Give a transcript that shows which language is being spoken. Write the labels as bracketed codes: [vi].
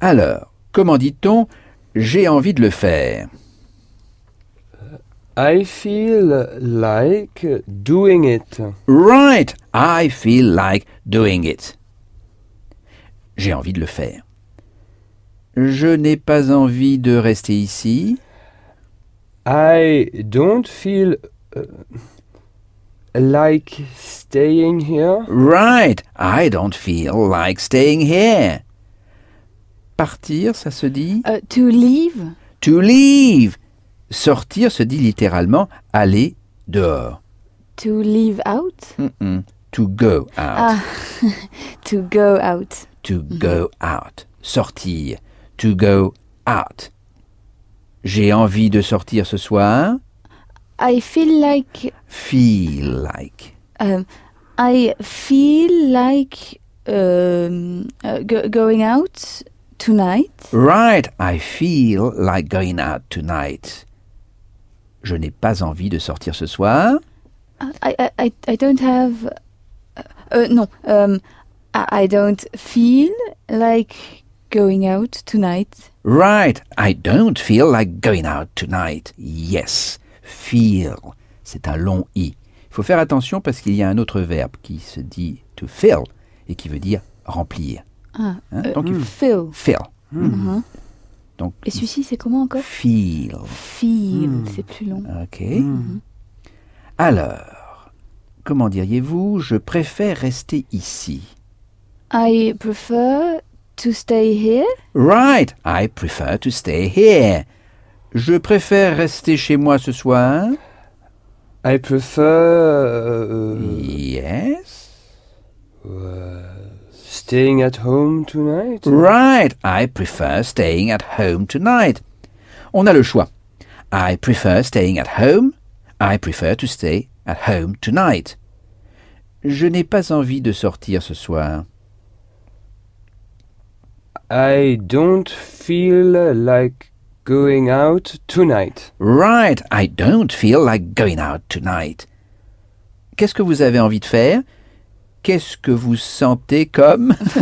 [fr] Alors, comment dit-on « j'ai envie de le faire » ?« [en] I feel like doing it ». Right !« I feel like doing it ». [fr] J'ai envie de le faire. Je n'ai pas envie de rester ici. [en] I don't feel like staying here. Right. I don't feel like staying here. [fr] Partir, ça se dit [en] To leave. To leave. [fr] Sortir se dit littéralement aller dehors. [en] To leave out. To go out. To go out. To go out. Sortir. To go out. [fr] J'ai envie de sortir ce soir. [en] I feel like... Feel like. I feel like going out tonight. Right. I feel like going out tonight. [fr] Je n'ai pas envie de sortir ce soir. [en] I don't have... I don't feel like going out tonight. Right. I don't feel like going out tonight. [fr] Yes. Feel. C'est un long I. Il faut faire attention parce qu'il y a un autre verbe qui se dit to fill et qui veut dire remplir. [en] Fill. Fill. [fr] Donc, et celui-ci, c'est comment encore? [en] Feel. [fr] Feel. C'est plus long. [en] OK. [fr] Alors, comment diriez-vous « je préfère rester ici » [en] I prefer to stay here. Right, I prefer to stay here. [fr] Je préfère rester chez moi ce soir. [en] I prefer... Yes. Staying at home tonight. Right, I prefer staying at home tonight. [fr] On a le choix. [en] I prefer staying at home. I prefer to stay at home tonight. [fr] Je n'ai pas envie de sortir ce soir. [en] I don't feel like going out tonight. Right, I don't feel like going out tonight. [fr] Qu'est-ce que vous avez envie de faire? Qu'est-ce que vous sentez comme?